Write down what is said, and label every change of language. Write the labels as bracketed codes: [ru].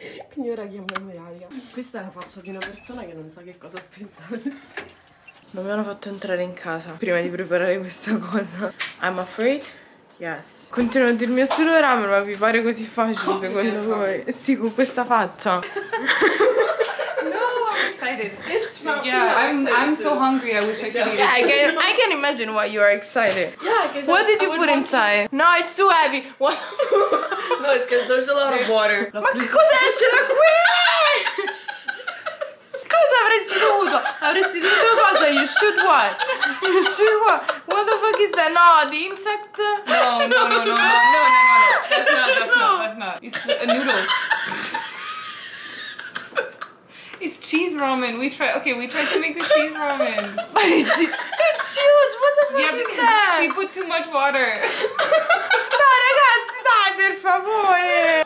[it] Quindi ora chiamiamo Ilaria. Questa è la faccia di una persona che non sa che cosa aspettare. Non mi hanno fatto entrare in casa prima di preparare questa cosa. [en] I'm afraid. Yes. [it] Continuo a dirmi solo ramen, ma vi pare così facile secondo voi? Sì, con questa faccia. [en] I'm so hungry. I wish I could eat it. Yeah, I can imagine why you are excited. Yeah, what did you put inside? No, it's too heavy. What? No, it's because there's a lot of water. [it] Ma che cosa esce da qui? Cosa avresti dovuto? Avresti dovuto cosa? [en] You shoot what? What the fuck is that? No, the insect? No, that's not. It's noodles. It's cheese ramen. We tried to make the cheese ramen. But it's huge. What the fuck that? Yeah, because she put too much water. [it] No, ragazzi, dai, per favore.